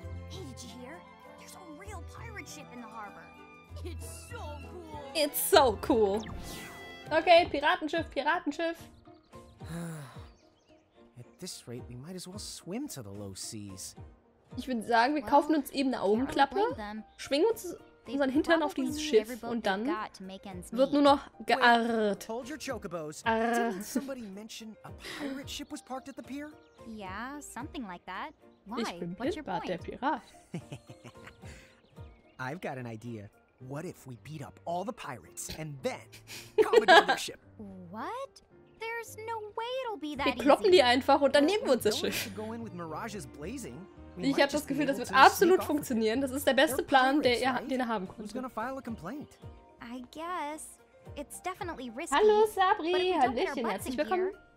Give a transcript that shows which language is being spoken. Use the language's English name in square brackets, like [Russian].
[English] Hey, did you hear? There's a real pirate ship in the harbor. It's so cool. It's so cool. Okay, [German] Piratenschiff, Piratenschiff. [English] At this rate, we might as well swim to the low seas. [German] Ich würde sagen, wir kaufen uns eben eine Augenklappe, schwingen uns unseren Hintern auf dieses Schiff und dann wird nur noch gearrt. [English] Hold your chocobos. Didn't somebody mention a pirate ship was parked at the pier? Yeah, something like that. Why? [German] Ich bin Pitbart, der Pirat. [English] I've got an idea. What if we beat up all the pirates and then commandeer the ship? What? There's no way it'll be that easy. [German] Wir kloppen die einfach und dann nehmen wir uns das Schiff. [English] Go in with Mirage's Blazing. [German] Ich habe das Gefühl, das wird absolut funktionieren. Das ist der beste Plan, den er haben konnte. Hallo Sabri, hallöchen, herzlich willkommen.